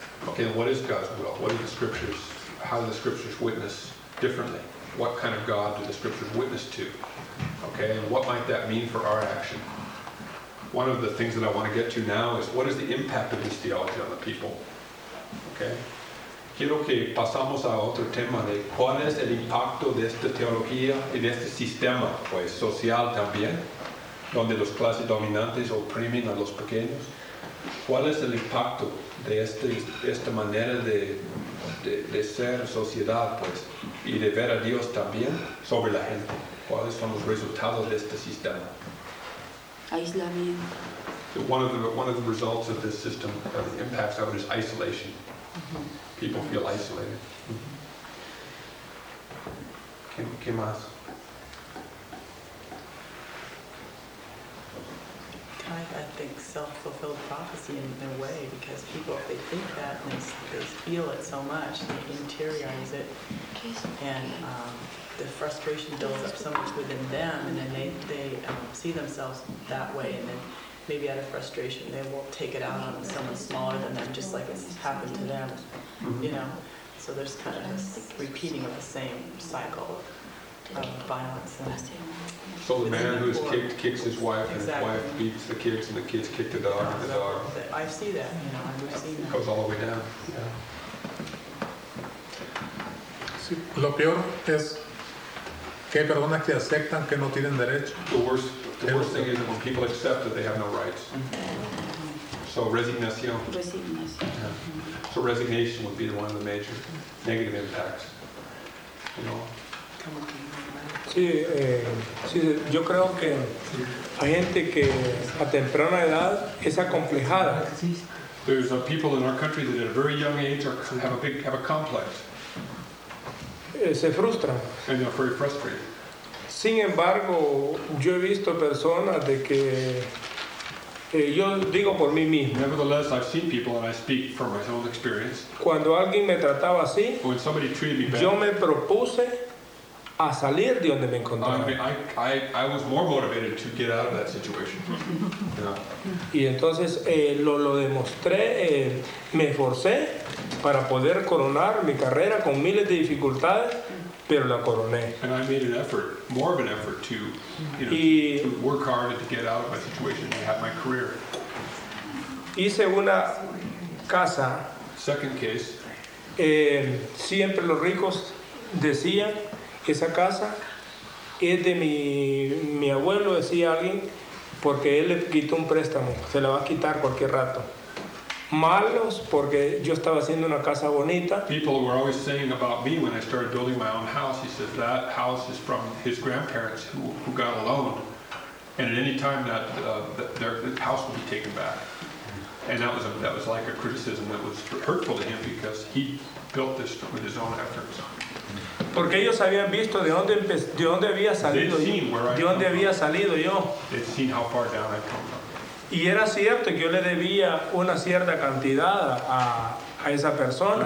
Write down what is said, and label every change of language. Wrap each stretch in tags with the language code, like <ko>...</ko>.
<en>Okay, what is God's will? What are the scriptures? How do the scriptures witness differently? What kind of God do the scriptures witness to? Okay, and what might that mean for our action? One of the things that I want to get to now is, what is the impact of this theology on the people? Okay.</en> <es>Quiero que pasamos a otro tema de cuál es el impacto de esta teología en este sistema, pues social también, donde los clases dominantes oprimen a los pequeños. ¿Cuál es el impacto de esta manera de ser sociedad, pues, y de ver a Dios también sobre la gente? ¿Cuáles son los resultados de este sistema? Aislamiento.</es> <en>One of the results of this system, of the impacts of it, is isolation. Mm-hmm. People feel isolated. Mm-hmm.</en> <es>¿Qué más?</es> <en>I think self-fulfilled prophecy in a way, because people, if they think that, and they feel it so much, they interiorize it, and the frustration builds up so much within them, and then they see themselves that way, and then maybe out of frustration they will take it out on someone smaller than them, just like it's happened to them, you know. So there's kind of this repeating of the same cycle of violence. So the man who's kicked kicks his wife, and his wife beats the kids, and the kids kick the dog, and the dog. I see that, you know, I've seen that. Goes all the way down. Yeah.</en> <es>Lo peor es que hay personas que aceptan que no tienen derecho.</es> <en>The worst thing is that when people accept that they have no rights. So resignación. So resignation would be one of the major negative impacts. You know.</en> <es>Sí, sí, yo creo que hay gente que a temprana edad es acomplejada.</es> <en>There's a people in our country that at a very young age are, have a complex.</en> <es>Se frustran.</es> <en>And they're very frustrated.</en> <es>Sin embargo, yo he visto personas de que yo digo por mí mismo.</es> <en>Nevertheless, I've seen people, and I speak from my own experience.</en> <es>Cuando alguien me trataba así,</es> <en>when somebody treated me bad,</en> <es>yo me propuse a salir de donde me encontraba.</es> <en>I was more motivated to get out of that situation.</en> <es>Y entonces lo demostré, me forcé para poder coronar mi carrera con miles de dificultades, pero la coroné.</es> <en>And I made an effort, more of an effort, to, you know, to work hard to get out of my situation and have my career.</en> <es>Hice una casa.</es> <en>Second case.</en> <es>Siempre los ricos decían, esa casa es de mi abuelo, decía alguien, porque él le quitó un préstamo, se la va a quitar cualquier rato. Malos, porque yo estaba haciendo una casa bonita.</es> <en>People were always saying about me when I started building my own house, he says that house is from his grandparents who got a loan, and at any time that their house will be taken back. And that was like a criticism that was hurtful to him, because he built this with his own efforts.</en> <es>Porque ellos habían visto de dónde había salido yo, de dónde había salido yo.</es> <en>They'd seen how far down I'd come from.</en> <es>Y era cierto que yo le debía una cierta cantidad a esa persona.</es>